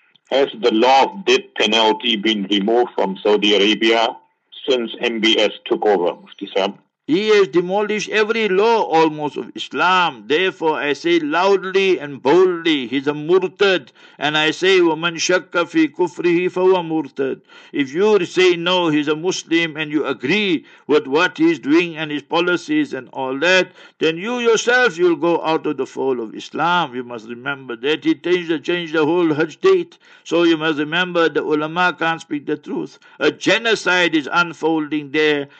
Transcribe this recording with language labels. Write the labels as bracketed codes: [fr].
[en] Has the law of death penalty been removed from Saudi Arabia since MBS took over, Mufti Sahib? He has demolished every law almost of Islam. Therefore, I say loudly and boldly, he's a murtad. And I say, [ar] وَمَنْ شَكَّ فِي كُفْرِهِ فَوَ مُرْتَد. [en] If you say no, he's a Muslim, and you agree with what he's doing and his policies and all that, then you yourself, you'll go out of the fold of Islam. You must remember that he changed the whole Hajj date. So you must remember the ulama can't speak the truth. A genocide is unfolding there.